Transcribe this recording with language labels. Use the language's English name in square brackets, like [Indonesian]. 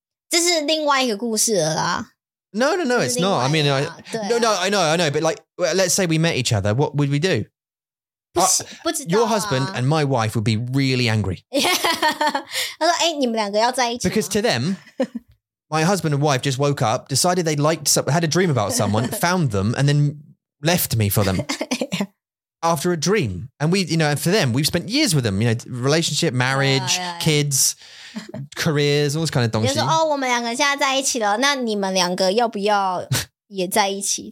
[Chinese] 这是另外一个故事了啦。 [English] No, it's not. I mean, I know, but like, let's say we met each other. What would we do? [Chinese] 不知道啊。 [English] Your husband and my wife would be really angry. Yeah. [Chinese] 他说，你们两个要在一起吗？ [English] Because to them, my husband and wife just woke up, decided they liked, had a dream about someone, found them, and then left me for them. Yeah. After a dream. And we, you know, and for them, we've spent years with them, you know, relationship, marriage, yeah. kids. Careers, all those kind of 东西. [Chinese] 就是说，哦，我们两个现在在一起了，那你们两个要不要也在一起？